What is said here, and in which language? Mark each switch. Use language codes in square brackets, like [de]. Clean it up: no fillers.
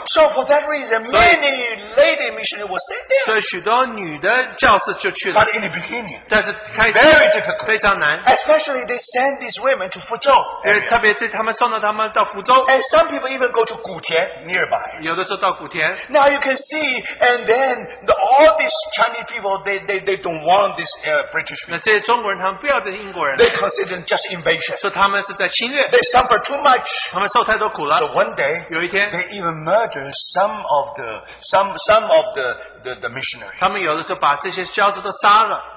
[en] So, for that reason, many lady missionaries were sent there. [zh] 所以许多 女的教士就去了, [en] but in the beginning, [zh] 但是开始, [en] very difficult, [zh] 非常难, [en] especially they send these women to Fuzhou. [zh] 特别是他们送到他们到福州, [en] and some people even go to Gutian nearby. [zh] 有的时候到古田, [en] now you can see, and then all these Chinese people, they don't want these British people. [zh] 那这些中国人他们不要这些英国人, [en] they consider them just invasion. [zh] 说他们是在侵略, [en] they suffer too much. [zh] 他们受太多苦了, [en] so one day, [zh] 有一天, [en] they even murder some of the missionaries. [zh] 他们有的时候把这些教士都杀了,